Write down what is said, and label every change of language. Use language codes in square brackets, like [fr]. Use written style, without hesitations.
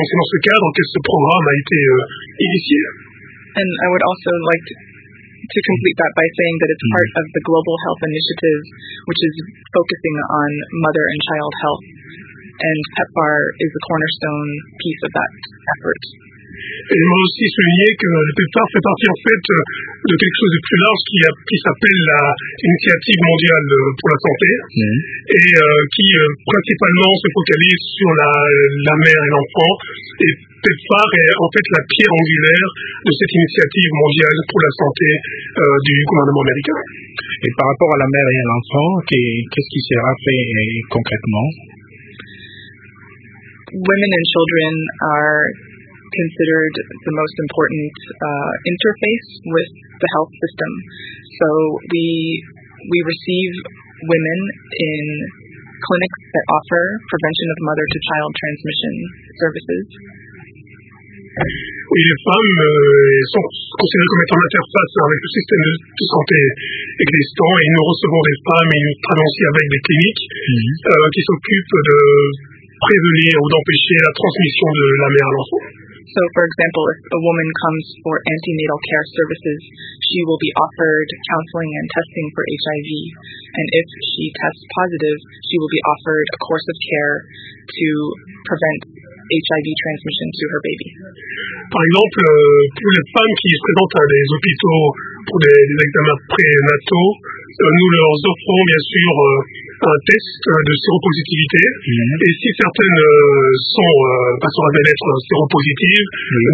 [fr] Donc c'est dans ce cadre que ce programme a été initié. [en] And I would also like to complete that by saying that it's part of the Global Health Initiative, which is focusing on mother and child health. And PEPFAR is a cornerstone piece of that effort. [fr] Et je veux aussi souligner que le PEPFAR fait partie en fait de quelque chose de plus large qui s'appelle l'Initiative mondiale pour la santé, et qui principalement se focalise sur la mère et l'enfant. Et PEPFAR est en fait la pierre angulaire de cette Initiative mondiale pour la santé du gouvernement américain. Et par rapport à la mère et à l'enfant, qu'est-ce qui sera fait concrètement? [en] Women and children are considered the most important interface with the health system. So we receive women in clinics that offer prevention of mother-to-child transmission services. [fr] Oui, les femmes sont considérées comme étant l'interface avec le système de santé existant, et nous recevons des femmes et nous travaillons aussi avec des cliniques qui s'occupent de prévenir ou d'empêcher la transmission de la mère à l'enfant. [en] So, for example, if a woman comes for antenatal care services, she will be offered counseling and testing for HIV. And if she tests positive, she will be offered a course of care to prevent HIV transmission to her baby. [fr] Par exemple, pour les femmes qui se présentent à des hôpitaux pour des examens prénataux, nous leur offrons bien sûr un test de séropositivité. Mm-hmm. Et si certaines sont à être séropositives, mm-hmm.